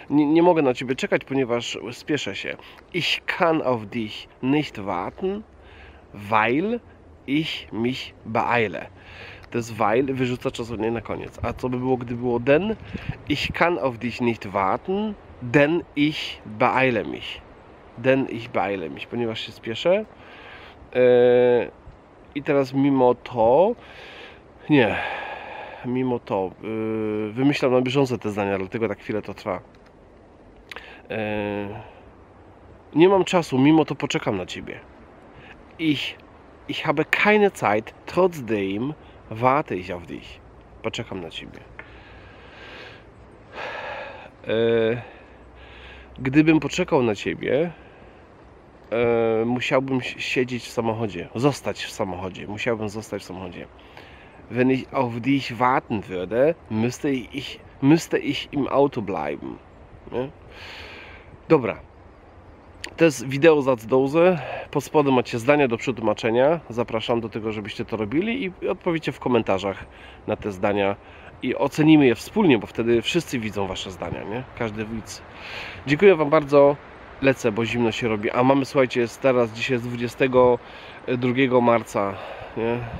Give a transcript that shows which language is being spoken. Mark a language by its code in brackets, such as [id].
[pl] Nie mogę na ciebie czekać, ponieważ spieszę się. [de] Ich kann auf dich nicht warten, weil ich mich beeile. [pl] To jest weil, wyrzuca czasownik na koniec. A co by było, gdy było denn? [de] Ich kann auf dich nicht warten, denn ich beeile mich. Denn ich beeile mich, [pl] ponieważ się spieszę. I teraz mimo to... Nie. Mimo to... wymyślam na bieżąco te zdania, dlatego tak chwilę to trwa. Nie mam czasu, mimo to poczekam na ciebie. [de] Ich habe keine Zeit, trotzdem warte ich auf dich. [pl] Poczekam na ciebie. Gdybym poczekał na ciebie, musiałbym siedzieć w samochodzie. Zostać w samochodzie. Musiałbym zostać w samochodzie. [de] Wenn ich auf dich warten würde, müsste ich im Auto bleiben. [pl] Nie? Dobra. To jest wideo za Zdouze. Pod spodem macie zdania do przetłumaczenia. Zapraszam do tego, żebyście to robili i odpowiecie w komentarzach na te zdania i ocenimy je wspólnie, bo wtedy wszyscy widzą wasze zdania, nie? Każdy widz. Dziękuję wam bardzo. Lecę, bo zimno się robi. A mamy, słuchajcie, jest teraz, dzisiaj jest 22 marca, nie?